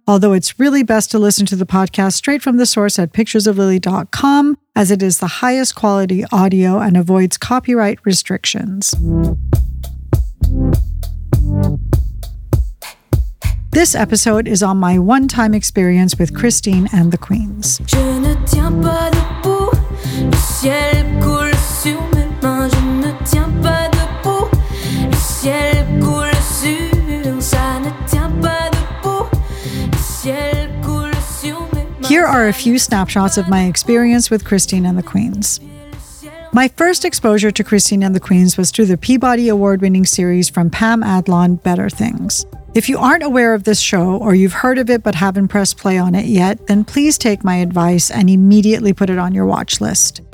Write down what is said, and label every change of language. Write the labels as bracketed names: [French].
[English] Although it's really best to listen to the podcast straight from the source at picturesoflily.com, as it is the highest quality audio and avoids copyright restrictions. This episode is on my one-time experience with Christine and the Queens. [French] Je ne tiens pas debout, le ciel coule sur mes mains. Je ne tiens pas debout, le ciel coule sur mes mains. Ça ne tient pas debout, le ciel coule sur mes mains. [English] Here are a few snapshots of my experience with Christine and the Queens. My first exposure to Christine and the Queens was through the Peabody Award-winning series from Pam Adlon, Better Things. If you aren't aware of this show, or you've heard of it but haven't pressed play on it yet, then please take my advice and immediately put it on your watch list.